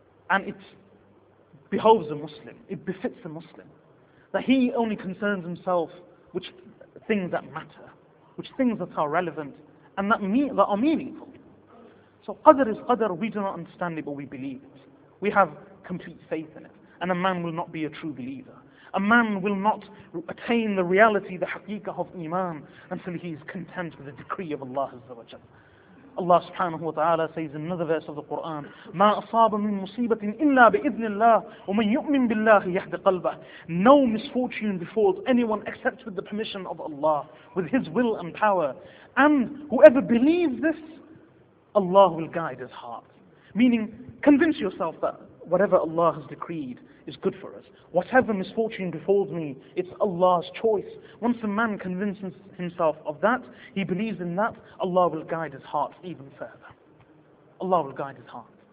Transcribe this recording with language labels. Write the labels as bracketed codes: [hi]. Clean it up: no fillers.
[en] And it behoves a Muslim, it befits a Muslim, that he only concerns himself with things that matter, with things that are relevant and that are meaningful. So qadr is qadr, we do not understand it, but we believe it. We have complete faith in it, and a man will not be a true believer. A man will not attain the reality, the haqiqah of Iman, until he is content with the decree of Allah Azza wa Jalla. Allah subhanahu wa ta'ala says in another verse of the Quran, [ar] مَا أَصَابَ مِن مُصِيبَةٍ إِلَّا بِإِذْنِ اللَّهِ وَمَن يُؤْمِن بِاللَّهِ يَهْدِ قَلْبَهِ. [en] No misfortune befalls anyone except with the permission of Allah, with His will and power. And whoever believes this, Allah will guide his heart. Meaning, convince yourself that whatever Allah has decreed is good for us. Whatever misfortune befalls me, it's Allah's choice. Once a man convinces himself of that, he believes in that, Allah will guide his heart even further. Allah will guide his heart.